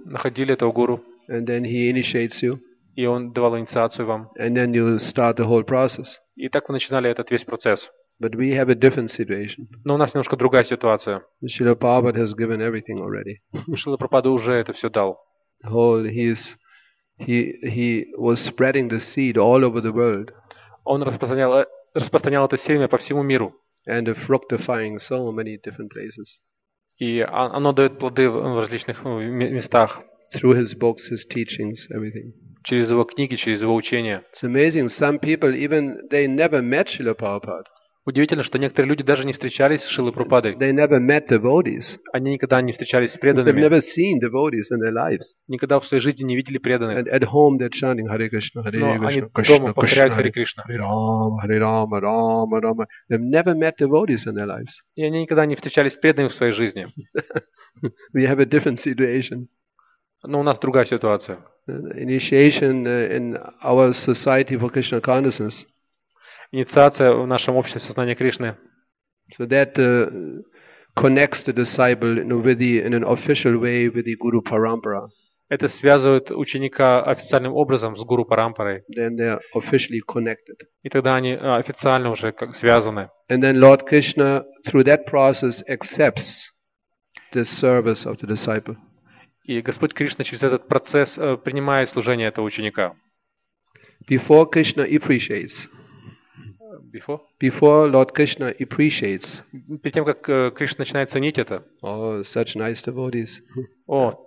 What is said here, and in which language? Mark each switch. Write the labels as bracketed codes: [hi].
[ru] Находили этого гуру. [en] And then he initiates you. [ru] И он давал инициацию вам. [en] And then you start the whole process. [ru] И так вы начинали этот весь процесс. [en] But we have a different situation. [ru] Но у нас немножко другая ситуация. [en] Шрила Прабхупада has given everything already. [ru] Шрила Прабхупада уже это все дал. [en] He was spreading the seed all over the world. [ru] Он распространял это семя по всему миру. [en] And fructifying so many different places. [ru] И оно дает плоды в различных местах. [en] Through his books, his teachings, everything. [ru] Через его книги, через его учения. [en] It's amazing. Some people even they never met Srila Prabhupada. [ru] Удивительно, что некоторые люди даже не встречались с Шрилой Прабхупадой. [en] They never met devotees. [ru] Они никогда не встречались с преданными. [en] They've never seen devotees in their lives. [ru] Никогда в своей жизни не видели преданных. [en] And at home they're chanting Hare Krishna, Hare Krishna, Krishna [ru] Krishna. Но они дома повторяют Hare Krishna. [en] Hare Rama, Hare Rama, Rama Rama. They've never met devotees in their lives. [ru] И они никогда не встречались с преданными в своей жизни. [en] We have a different situation. [ru] Но у нас другая ситуация. [en] Initiation in our society for Krishna consciousness. [ru] Инициация в нашем обществе сознания Кришны. [en] So that connects the disciple in an official way with the Guru Parampara. [ru] Это связывает ученика официальным образом с Гуру Парампарой. [en] Then they are officially connected. [ru] И тогда они официально уже как связаны. [en] And then Lord Krishna through that process accepts the service of the disciple. [ru] И Господь Кришна через этот процесс принимает служение этого ученика. [en] Before Krishna appreciates. Before Lord Krishna appreciates. [ru] Перед тем, как Кришна начинает ценить это. [en] Oh, such nice devotees. О,